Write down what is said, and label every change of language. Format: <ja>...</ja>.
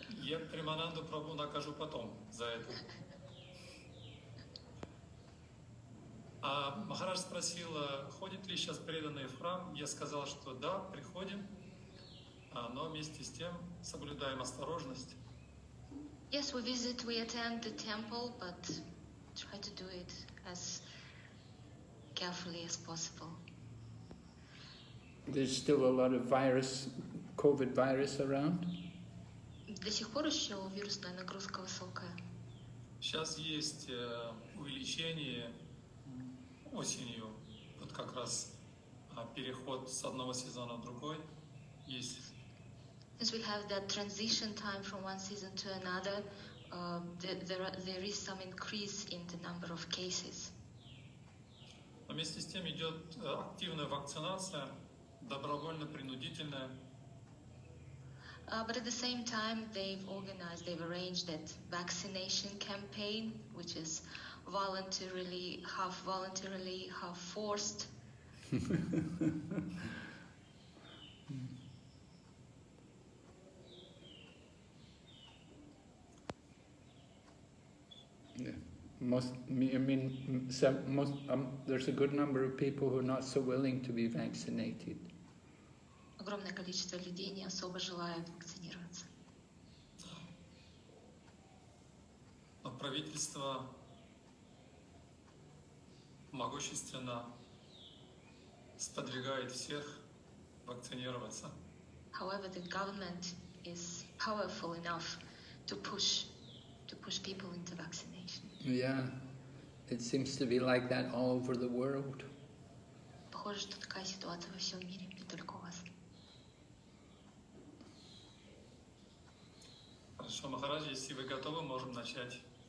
<ru>Я Примананду Прабху накажу потом за это. А Махарадж спросил, ходят ли сейчас преданные в храм. Я сказал, что да, приходим, но вместе с тем соблюдаем осторожность.</ru> <en>Yes, we visit, we attend the temple, but try to do it as carefully as possible. There's still a lot of virus, COVID virus around.</en> <ru>До сих пор еще вирусная нагрузка высокая. Сейчас есть увеличение осенью, вот как раз переход с одного сезона в другой, есть.</ru> <en>Since we have that transition time from one season to another, there is some increase in the number of cases.</en> <ru>Но вместе с тем идет активная вакцинация, добровольно-принудительная.</ru> <en>But at the same time, they've arranged that vaccination campaign, which is half voluntarily, half forced. There's a good number of people who are not so willing to be vaccinated.</en> <ru>Огромное количество людей не особо желают вакцинироваться. правительство могущественно сподвигает всех вакцинироваться.</ru> <en>However, the government is powerful enough to push people into vaccination. Yeah, it seems to be like that all over the world.</en> <ru>Похоже, что такая ситуация во всем мире, не только у вас. Хорошо, Махарадж, если вы готовы, можем начать.</ru>